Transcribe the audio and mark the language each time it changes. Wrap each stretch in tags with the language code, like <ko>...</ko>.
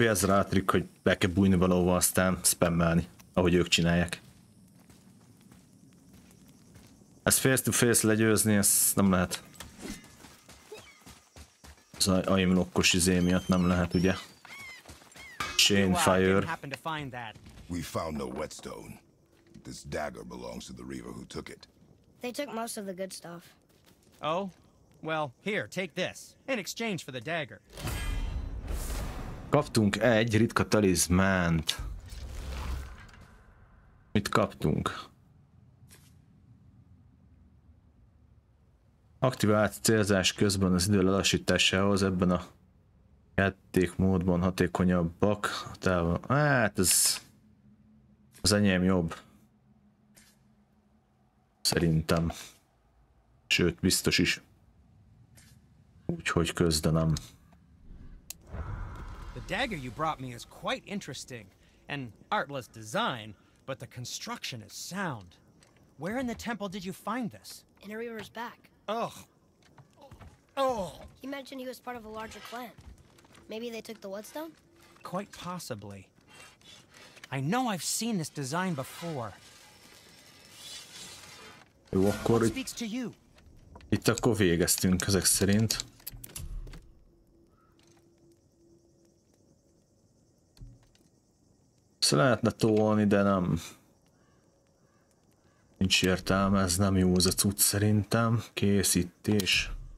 <hu>Ez rá trükk, hogy be kell bújni valahol, aztán spammelni, ahogy ők csinálják. Ezt</hu> <en>face to face</en> <hu>legyőzni, ezt nem lehet. Az aim lockos izé miatt nem lehet, ugye?</hu> <en>Chain fire. We found no whetstone. This dagger belongs to the Reaver who took it. They took most of the good stuff. Oh? Well, here, take this. In exchange for the dagger.</en> <hu>Kaptunk egy ritka talizmánt. Mit kaptunk? Aktivált célzás közben az idő lelassításához ebben a játék módban hatékonyabbak. Hát ez az enyém jobb. Szerintem. Sőt, biztos is. Úgyhogy közdenem.</hu> <en>The dagger you brought me is quite interesting and artless design, but the construction is sound. Where in the temple did you find this? In a reaver's back. Ugh. Oh. He mentioned he was part of a larger clan. Maybe they took the whetstone? Quite possibly. I know I've seen this design before. What speaks to you?</en> <hu>Itt akkor végeztünk ezek szerint. Szóval lehetne tolni, de nem. Nincs értelme, ez nem jó az a cucc szerintem. Készítés.</hu>